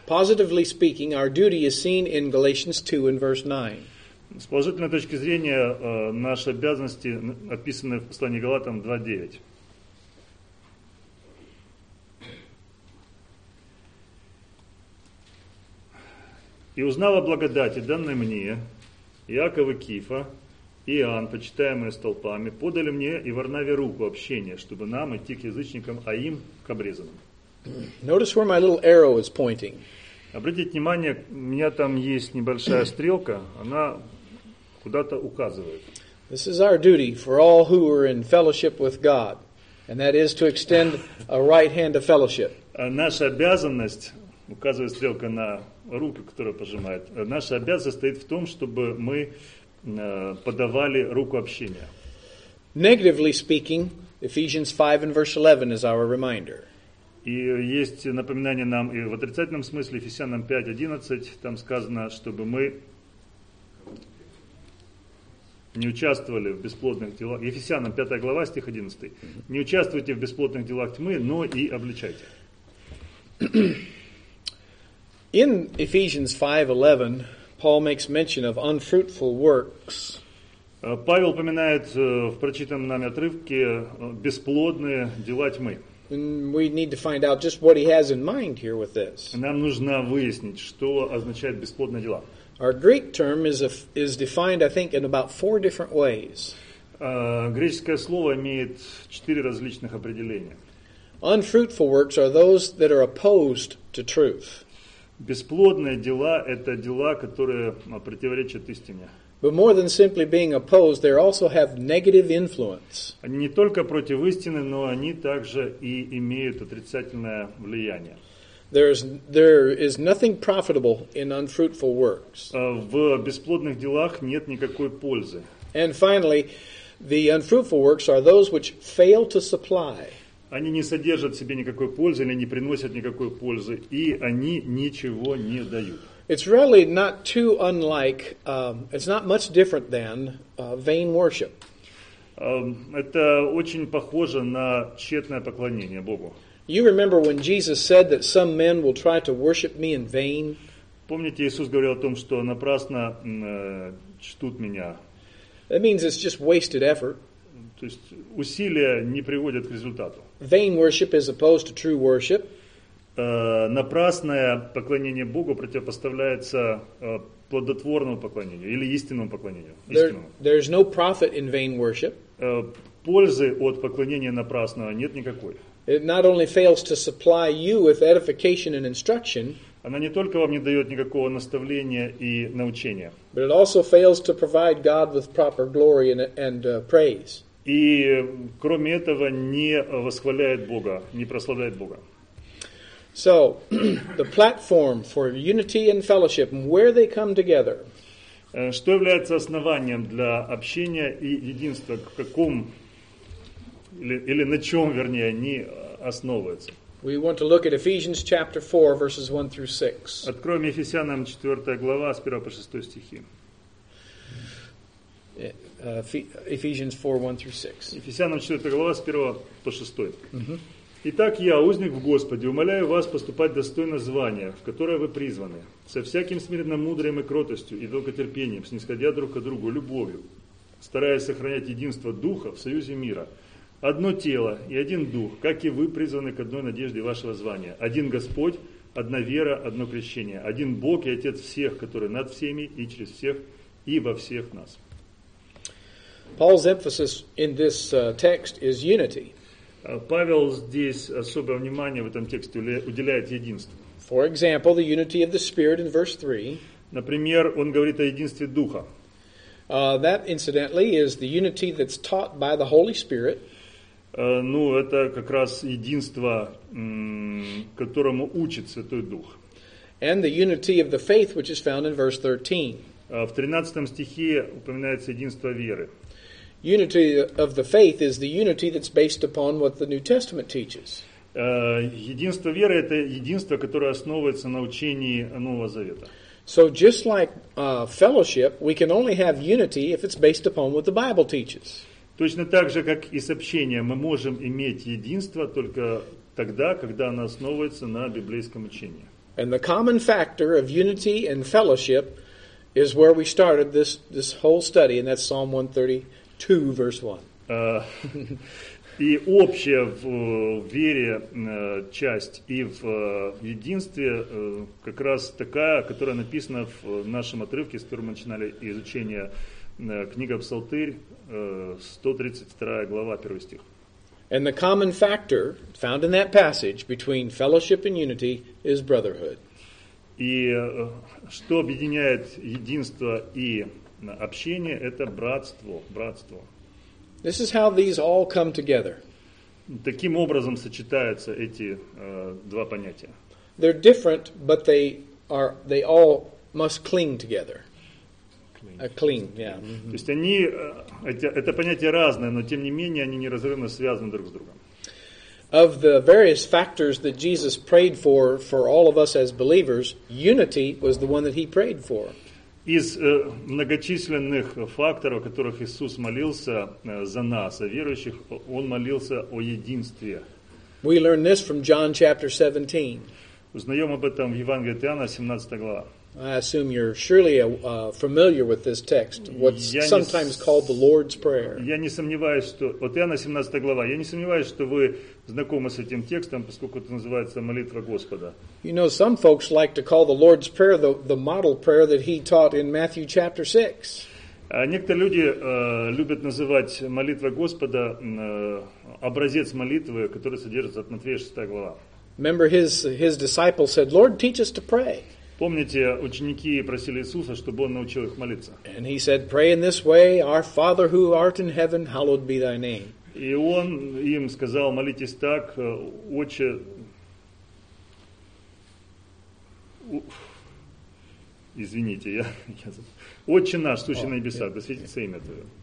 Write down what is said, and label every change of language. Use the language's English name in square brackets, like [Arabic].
[English] Positively speaking, our duty is seen in Galatians 2 and verse 9. [Russian] С положительной точки зрения, наши обязанности описаны в послании Галатам 2:9. «И узнал о благодати, данной мне, Иакова Кифа, Иоанн, почитаемые столпами, подали мне и Варнаве руку общения, чтобы нам идти к язычникам, а им к обрезанным». [English] Notice where my little arrow is pointing. [Russian] Обратите внимание, у меня там есть небольшая стрелка, она куда-то указывает. [English] This is our duty for all who are in fellowship with God, and that is to extend a right hand of fellowship. [Russian] Наша обязанность, указывает стрелка на руку, которая пожимает, наша обязанность стоит в том, чтобы мы подавали руку общения. [English] Negatively speaking, Ephesians 5 and verse 11 is our reminder. [Russian] И есть напоминание нам и в отрицательном смысле, Ефесянам 5:11, там сказано, чтобы мы не участвовали в бесплодных делах. Ефесянам 5 глава, стих 11. Не участвуйте в бесплодных делах тьмы, но и обличайте. [English] In Ephesians 5:11, Paul makes mention of unfruitful works. [Russian] Павел упоминает в прочитанном нами отрывке бесплодные дела тьмы. [English] And we need to find out just what he has in mind here with this. [Russian] Нам нужно выяснить, что означает бесплодные дела. [English] Our Greek term is defined, I think, in about four different ways. [Russian] Греческое слово имеет четыре различных определения. [English] Unfruitful works are those that are opposed to truth. [Russian] Бесплодные дела – это дела, которые противоречат истине. [English] But more than simply being opposed, they also have negative influence. [Russian] Они не только против истины, но они также и имеют отрицательное влияние. [English] There is nothing profitable in unfruitful works. [Russian] В бесплодных делах нет никакой пользы. [English] And finally, the unfruitful works are those which fail to supply. [Russian] Они не содержат в себе никакой пользы или не приносят никакой пользы, и они ничего не дают. [English] It's really not too unlike, it's not much different than vain worship. [Russian] Это очень похоже на тщетное поклонение Богу. [English] You remember when Jesus said that some men will try to worship me in vain? [Russian] Помните, Иисус говорил о том, что напрасно чтут меня. [English] That means it's just wasted effort. [Russian] То есть усилия не приводят к результату. [English] Vain worship is opposed to true worship. [Russian] Напрасное поклонение Богу противопоставляется плодотворному поклонению или истинному поклонению. [English] There is no profit in vain worship. [Russian] Пользы от поклонения напрасного нет никакой. [English] It not only fails to supply you with edification and instruction. [Russian] Она не только вам не дает никакого наставления и научения. [English] But it also fails to provide God with proper glory and praise. [Russian] И кроме этого не восхваляет Бога, не прославляет Бога. [English] So, the platform for unity and fellowship, where they come together. [Russian] Что является основанием для общения и единства, в каком или на чем, вернее, они основываются? [English] We want to look at Ephesians chapter 4, verses 1 through 6. [Russian] Откроем Ефесянам 4 глава, с 1 по 6 стихи. [English] Ephesians 4, 1 through 6. [Russian] Ефесянам 4 глава, с 1 по 6. Итак, я, узник в Господе, умоляю вас поступать достойно звания, в которое вы призваны, со всяким смиренно мудрым и кротостью и долготерпением, снисходя друг к другу любовью, стараясь сохранять единство Духа в союзе мира, одно тело и один Дух, как и вы призваны к одной надежде вашего звания, один Господь, одна вера, одно крещение, один Бог и Отец всех, который над всеми и через всех и во всех нас. [English] Paul's emphasis in this text is unity. [Russian] Павел здесь особое внимание в этом тексте уделяет единству. [English] For example, the unity of the Spirit in verse 3. [Russian] Например, он говорит о единстве Духа. [English] That, incidentally, is the unity that's taught by the Holy Spirit. [Russian] Ну, это как раз единство, которому учит Святой Дух. [English] And the unity of the faith, which is found in verse 13. [Russian] В 13 стихе упоминается единство веры. [English] Unity of the faith is the unity that's based upon what the New Testament teaches. [Russian] Единство веры — это единство, которое основывается на учении Нового Завета. [English] So just like fellowship, we can only have unity if it's based upon what the Bible teaches. [Russian] Точно так же, как и сообщение, мы можем иметь единство только тогда, когда оно основывается на библейском учении. [English] And the common factor of unity and fellowship is where we started this whole study, and that's Psalm 139. 2 verse 1. [Russian] И общая в вере часть и в единстве как раз такая, которая написана в нашем отрывке, с которого мы начинали изучение книга Псалтырь, 132 глава, 1 стих. [English] And the common factor found in that passage between fellowship and unity is brotherhood. [Russian] И что объединяет единство и общение – это братство. [English] This is how these all come together. [Russian] Таким образом сочетаются эти два понятия. [English] They're different, but they all must cling together. Cling, yeah. Mm-hmm. [Russian] То есть они, это понятие разное, но тем не менее они неразрывно связаны друг с другом. [English] Of the various factors that Jesus prayed for all of us as believers, unity was the one that he prayed for. [Russian] Из многочисленных факторов, о которых Иисус молился за нас, о верующих, Он молился о единстве. [English] We learn this from John chapter 17. [Russian] Узнаем об этом в Евангелии от Иоанна, 17 глава. [English] I assume you're surely familiar with this text, what's sometimes called the Lord's Prayer. [Russian] Я не сомневаюсь, что... Вот Иоанна, 17 глава. Я не сомневаюсь, что вы знакомы с этим текстом, поскольку это называется молитва Господа. [English] You know, some folks like to call the Lord's Prayer the model prayer that he taught in Matthew chapter 6. [Russian] Некоторые люди любят называть молитва Господа образец молитвы, который содержится от Матфея 6 глава. [English] Remember his disciples said, Lord, teach us to pray. [Russian] Помните, ученики просили Иисуса, чтобы он научил их молиться. [English] And he said, pray in this way, our Father who art in heaven, hallowed be thy name. [Russian] И он им сказал, молитесь так, Отче... Извините, я... Отче наш, сущий на небесах, да светится имя твое.